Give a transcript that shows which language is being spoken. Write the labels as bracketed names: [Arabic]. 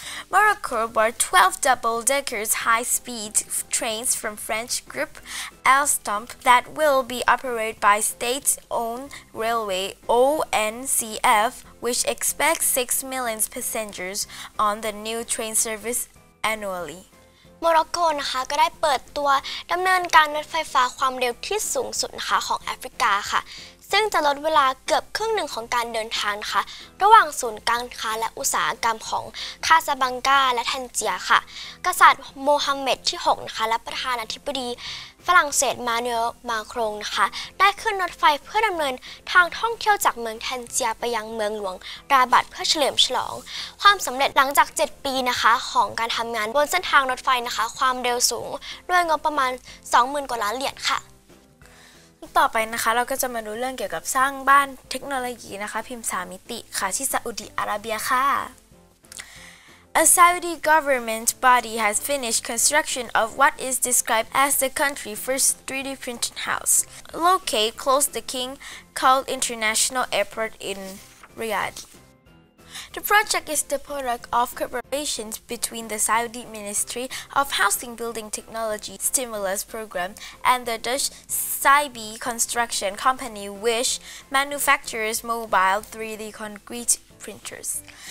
[English] Morocco bought 12 double-decker high-speed trains from French group Alstom that will be operated by state-owned railway ONCF, which expects 6 million passengers on the new train service annually. [Thai] โมร็อกโกนะคะก็ได้เปิดตัวดำเนินการรถไฟฟ้าความเร็วที่สูงสุดนะคะของแอฟริกาค่ะซึ่งจะลดเวลาเกือบครึ่งหนึ่งของการเดินทางนะคะระหว่างศูนย์การค้าและอุตสาหกรรมของคาซาบังกาและแทนเจียค่ะกษัตริย์โมฮัมเหม็ดที่6นะคะและประธานาธิบดี ฝรั่งเศสมานูเอลมาครงนะคะได้ขึ้นรถไฟเพื่อดำเนินทางท่องเที่ยวจากเมืองแทนเจียไปยังเมืองหลวงราบัตเพื่อเฉลิมฉลองความสำเร็จหลังจาก7ปีนะคะของการทำงานบนเส้นทางรถไฟนะคะความเร็วสูงด้วยงบประมาณ 20,000 กว่าล้านเหรียญค่ะ ต่อไปนะคะเราก็จะมาดูเรื่องเกี่ยวกับสร้างบ้านเทคโนโลยีนะคะพิมพ์3มิติค่ะที่ซาอุดิอาระเบียค่ะ [English] A Saudi government body has finished construction of what is described as the country's first 3D printed house, located close to King Khalid International Airport in Riyadh. The project is the product of cooperation between the Saudi Ministry of Housing Building Technology Stimulus Program and the Dutch Saibi Construction Company, which manufactures mobile 3D concrete. printers.